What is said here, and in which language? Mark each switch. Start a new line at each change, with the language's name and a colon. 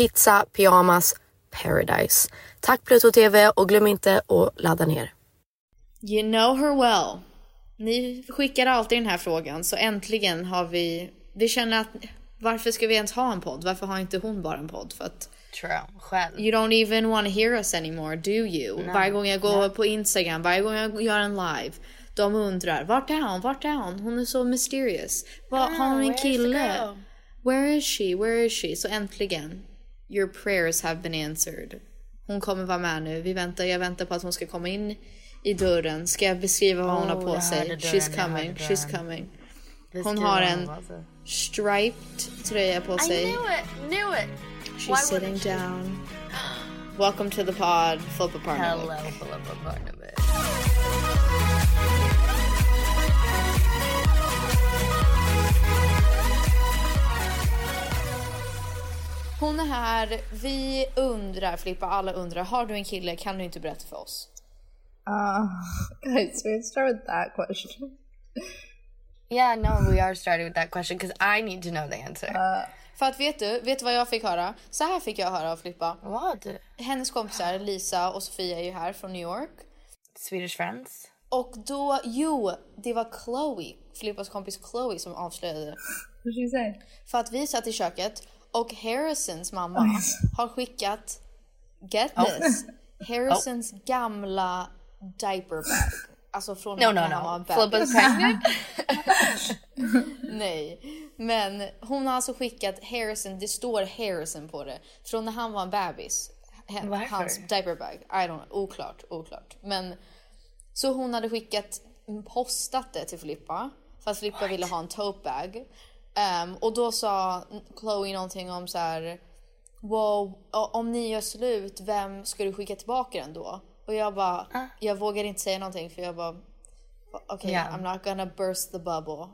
English: Pizza, pyjamas, Paradise.
Swedish: Tack Pluto TV och glöm inte att ladda ner.
English: You know her well.
Swedish: Ni skickar alltid den här frågan, så äntligen har vi... Vi känner att, varför ska vi ens ha en podd? Varför har inte hon bara en podd? För att, true, själv.
English: You don't even want to hear us anymore, do you? No.
Swedish: Varje gång jag går på Instagram, varje gång jag gör en live, de undrar, vart är hon? Vart är hon? Hon är så mysterious. Har hon en kille?
English: Where is she?
Swedish: Så äntligen,
English: your prayers have been answered.
Swedish: Hon kommer vara med nu. Jag väntar på att hon ska komma in i dörren. Ska jag beskriva vad hon har på sig?
English: She's coming.
Swedish: Hon har en striped tröja på sig.
English: I knew it. She's sitting down. Welcome to the pod, Filippa Parnevik. Hello, Filippa Parnevik.
Swedish: Hon är här. Vi undrar, Filippa, alla undrar, har du en kille? Kan du inte berätta för oss?
English: Guys, we're gonna start with that question. Yeah, no, we are starting with that question because I need to know the answer.
Swedish: För att vet du vad jag fick höra? Så här fick jag höra av Filippa.
English: What?
Swedish: Hennes kompisar, Lisa och Sofia är ju här från New York.
English: Swedish friends.
Swedish: Och då, det var Chloe, Filippas kompis Chloe som avslöjade.
English: What did she say?
Swedish: För att vi satt i köket och Harrisons mamma har skickat,
English: get this,
Swedish: Harrisons gamla diaper bag. Alltså från
English: Filippa's pregnant.
Swedish: Nej. Men hon har alltså skickat Harrison, det står Harrison på det, från när han var en bebis. Varför? Hans diaper bag.
English: I don't know.
Swedish: Oklart. Men så hon hade skickat postat det till Filippa. För att Filippa ville ha en tote bag. Och då sa Chloe någonting om så här, wow, om ni gör slut, vem ska du skicka tillbaka den då? Och jag bara, jag vågar inte säga någonting. För jag bara, okej,
English: okay, yeah. I'm not gonna burst the bubble.